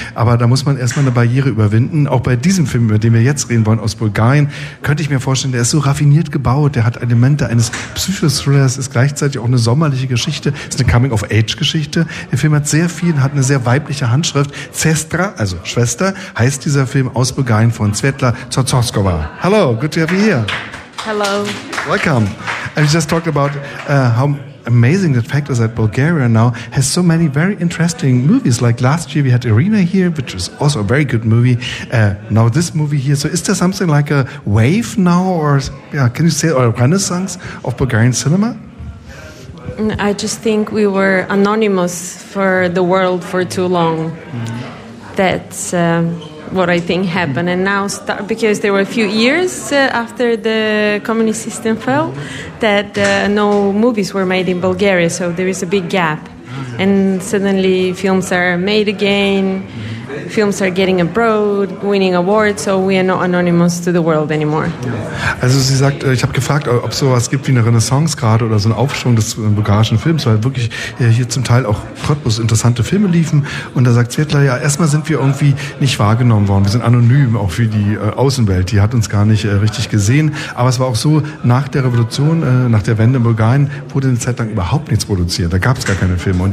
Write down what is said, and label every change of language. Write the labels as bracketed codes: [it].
[de] Aber da muss man erstmal eine Barriere überwinden. Auch bei diesem Film, über den wir jetzt reden wollen, aus Bulgarien, könnte ich mir vorstellen, der ist so raffiniert gebaut, der hat Elemente eines Psychothrillers, ist gleichzeitig auch eine sommerliche Geschichte, ist eine Coming-of-Age-Geschichte. Der Film hat sehr viel, hat eine sehr weibliche Handschrift. Sestra, also Schwester, heißt dieser Film aus Bulgarien von Svetla Tsotsoskova. [en] Hello, good to have you here. Hello. Welcome. I just talked about how amazing the fact is that Bulgaria now has so many very interesting movies. Like last year we had Irina here, which was also a very good movie. Now this movie here. So is there something like a wave now or yeah? Can you say or a renaissance of Bulgarian cinema? I just think we were anonymous for the world for too long. That's what I think happened. And now, because there were a few years after the communist system fell, that no movies were made in Bulgaria, so there is a big gap. And suddenly films are made again, films are getting abroad, winning awards, so we are not anonymous to the world anymore. [de] Also sie sagt, ich habe gefragt, ob sowas gibt wie eine Renaissance gerade oder so ein Aufschwung des bulgarischen Films, weil wirklich hier zum Teil auch Cottbus interessante Filme liefen. Und da sagt Svetla, ja, erstmal sind wir irgendwie nicht wahrgenommen worden. Wir sind anonym, auch für die Außenwelt. Die hat uns gar nicht richtig gesehen. Aber es war auch so, nach der Revolution, nach der Wende in Bulgarien, wurde eine Zeit lang überhaupt nichts produziert. Da gab es gar keine Filme.